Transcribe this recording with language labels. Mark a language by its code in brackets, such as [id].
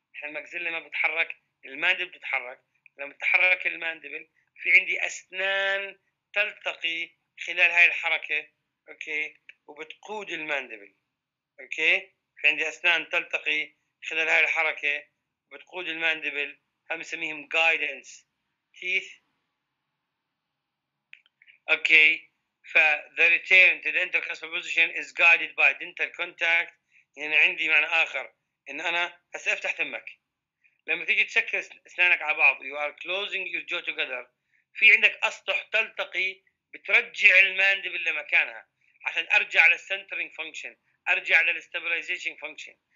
[ar] احنا المكزلة ما بتحرك، الماندبل بتتحرك، لما بتتحرك الماندبل في عندي اسنان تلتقي خلال هاي الحركة اوكي وبتقود الماندبل. اوكي في عندي اسنان تلتقي خلال هاي الحركة وبتقود الماندبل، هم نسميهم guidance teeth. [en] Okay ف the return to the intercuspal position is guided by dental contact. [ar] يعني عندي معنى اخر ان انا هسه افتح تمك لما تيجي تسكر اسنانك على بعض [en] you are closing your jaw together، [ar] في عندك اسطح تلتقي بترجع الماندبل لمكانها عشان ارجع للسنترينج فانكشن، ارجع للاستابلايزيشن فانكشن.